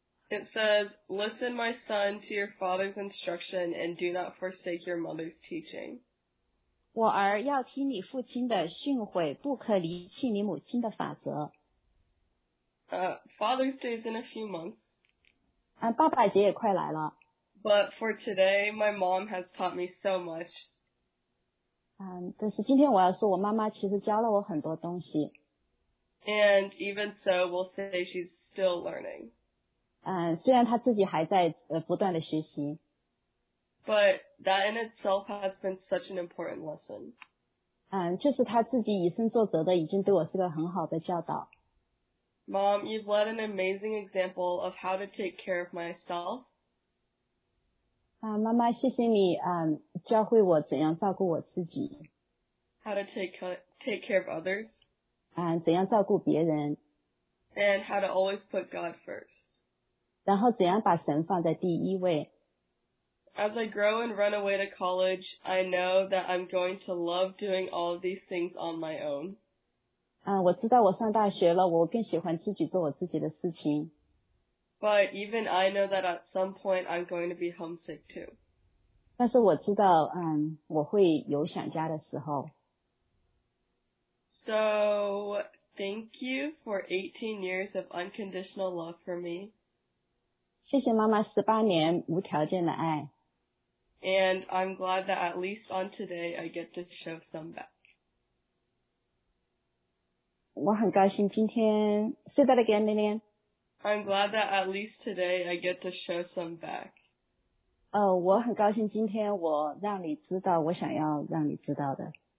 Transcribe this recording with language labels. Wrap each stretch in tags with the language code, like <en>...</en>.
<en>It says, Listen, my son, to your father's instruction and do not forsake your mother's teaching.</en> <zh>我儿要听你父亲的训诲，不可离弃你母亲的法则。</zh> <en>Father's Day is in a few months.</en> <zh>爸爸节也快来了。</zh> <en>But for today, my mom has taught me so much.</en> <zh>但是今天我要说，我妈妈其实教了我很多东西。</zh> <en>And even so, we'll say she's still learning.</en> <zh>虽然她自己还在不断的学习。</zh> <en>But that in itself has been such an important lesson.</en> <zh>就是他自己以身作则的已经对我是个很好的教导。</zh> <en>Mom, you've led an amazing example of how to take care of myself.</en> <zh>妈妈谢谢你教会我怎样照顾我自己。</zh> <en>How to take care of others.</en> <zh>怎样照顾别人。</zh> <en>And how to always put God first.</en> <zh>然后怎样把神放在第一位。</zh> <en>As I grow and run away to college, I know that I'm going to love doing all of these things on my own.</en> <zh>我知道我上大学了，我更喜欢自己做我自己的事情。</zh> <en>But even I know that at some point I'm going to be homesick too.</en> <zh>但是我知道我会有想家的时候。</zh> <en>So, thank you for 18 years of unconditional love for me.</en> <zh>谢谢妈妈18年无条件的爱。</zh> <en>And I'm glad that at least on today, I get to show some back.</en> <zh>我很高兴今天</zh> <en>Say that again, Lillian. I'm glad that at least today, I get to show some back.</en> <zh>我很高兴今天我让你知道我想要让你知道的。</zh>